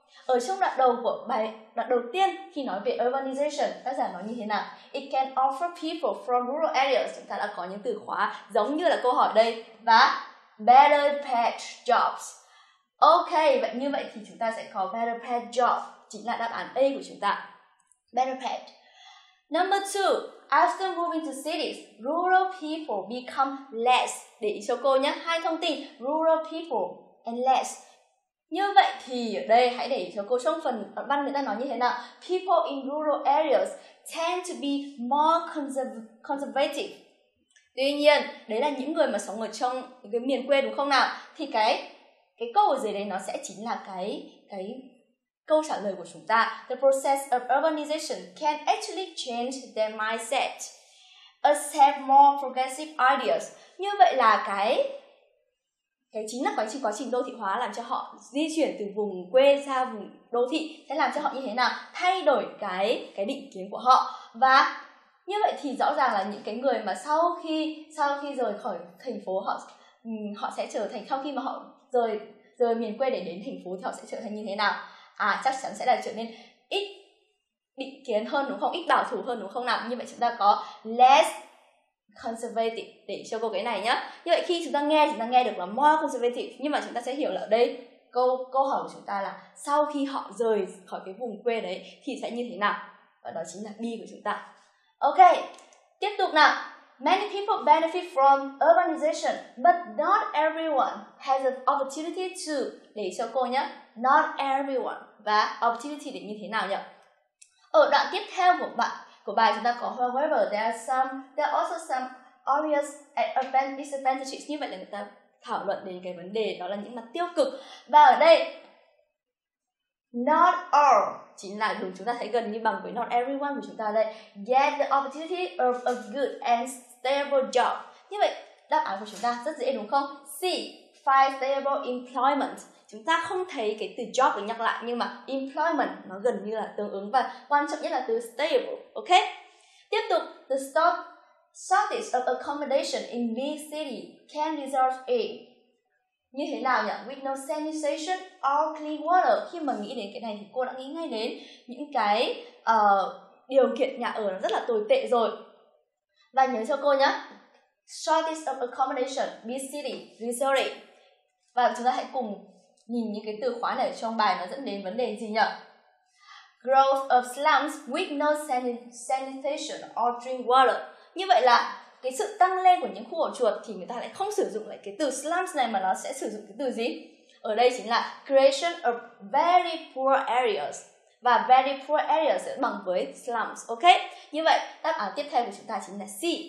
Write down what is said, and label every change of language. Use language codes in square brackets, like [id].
[vi] Ở trong đoạn đầu của bài, đoạn đầu tiên khi nói về urbanization, tác giả nói như thế nào? [en] It can offer people from rural areas, [vi] chúng ta đã có những từ khóa giống như là câu hỏi đây, và [en] better paid jobs. [vi] Ok, vậy như vậy thì chúng ta sẽ có [en] better paid job, [vi] chính là đáp án A của chúng ta. [en] Better paid. Number 2, after moving to cities, rural people become less. [vi] Để ý cho cô nhé, hai thông tin, [en] rural people and less. [vi] Như vậy thì ở đây hãy để ý cho cô trong phần văn người ta nói như thế nào. [en] People in rural areas tend to be more conservative. [vi] Tuy nhiên, đấy là những người mà sống ở trong cái miền quê đúng không nào? Thì cái câu ở dưới đấy nó sẽ chính là cái câu trả lời của chúng ta. [en] The process of urbanization can actually change their mindset, accept more progressive ideas. [vi] Như vậy là cái chính là quá trình đô thị hóa làm cho họ di chuyển từ vùng quê ra vùng đô thị sẽ làm cho họ như thế nào, thay đổi cái định kiến của họ. Và như vậy thì rõ ràng là những cái người mà sau khi rời khỏi thành phố, họ sẽ trở thành, sau khi mà họ rời miền quê để đến thành phố thì họ sẽ trở thành như thế nào? À, chắc chắn sẽ là trở nên ít định kiến hơn đúng không, ít bảo thủ hơn đúng không nào. Như vậy chúng ta có [en] less conservative, [vi] để cho cô cái này nhá. Như vậy khi chúng ta nghe được là [en] more conservative, [vi] nhưng mà chúng ta sẽ hiểu là ở đây câu hỏi của chúng ta là sau khi họ rời khỏi cái vùng quê đấy thì sẽ như thế nào, và đó chính là B của chúng ta. Ok, tiếp tục nào. [en] Many people benefit from urbanization, but not everyone has an opportunity to. [vi] Để cho cô nhé, not everyone và opportunity để như thế nào nhỉ? Ở đoạn tiếp theo của bài chúng ta có [en] however there are also some obvious disadvantages. [vi] Như vậy là người ta thảo luận đến cái vấn đề đó là những mặt tiêu cực. Và ở đây [en] not all [vi] chính là đúng, chúng ta thấy gần như bằng với [en] not everyone [vi] của chúng ta đây. [en] Get the opportunity of a good and stable job. [vi] Như vậy đáp án của chúng ta rất dễ đúng không? C, find stable employment. Chúng ta không thấy cái từ job được nhắc lại, nhưng mà employment nó gần như là tương ứng, và quan trọng nhất là từ stable. Ok, tiếp tục. [en] The shortage of accommodation in big city can result in. [vi] Như thế nào nhỉ? [en] With no sanitation or clean water. [vi] Khi mà nghĩ đến cái này thì cô đã nghĩ ngay đến những cái điều kiện nhà ở nó rất là tồi tệ rồi. Và nhớ cho cô nhé, [en] shortage of accommodation, big city, resort. [vi] Và chúng ta hãy cùng nhìn những cái từ khóa này trong bài nó dẫn đến vấn đề gì nhỉ? [en] Growth of slums with no sanitation or drink water. [vi] Như vậy là cái sự tăng lên của những khu ổ chuột thì người ta lại không sử dụng lại cái từ slums này, mà nó sẽ sử dụng cái từ gì? Ở đây chính là [en] creation of very poor areas. [vi] Và [en] very poor areas [vi] sẽ bằng với slums, ok? Như vậy, đáp án tiếp theo của chúng ta chính là C.